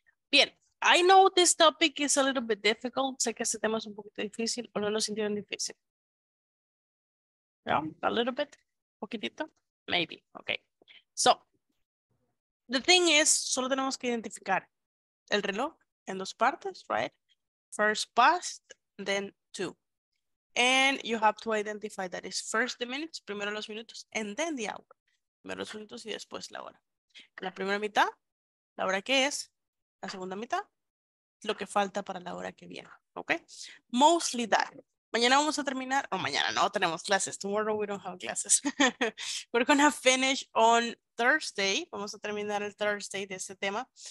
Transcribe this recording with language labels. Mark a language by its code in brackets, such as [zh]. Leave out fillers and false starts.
[en] Bien, I know this topic is a little bit difficult. [es] Sé que este tema es un poquito difícil o no lo sintieron difícil. [en] Yeah, a little bit, poquitito, maybe, okay. So, the thing is, [es] solo tenemos que identificar el reloj en dos partes, [en] right? First past, then two. And you have to identify that is first the minutes, [es] primero los minutos, [en] and then the hour. [es] Primero los minutos y después la hora. La primera mitad, la hora que es, la segunda mitad, lo que falta para la hora que viene, ¿ok? [en] Mostly that. [es] Mañana vamos a terminar, o mañana no tenemos clases, [en] tomorrow we don't have classes. We're gonna finish on Thursday, [es] vamos a terminar el Thursday de este tema.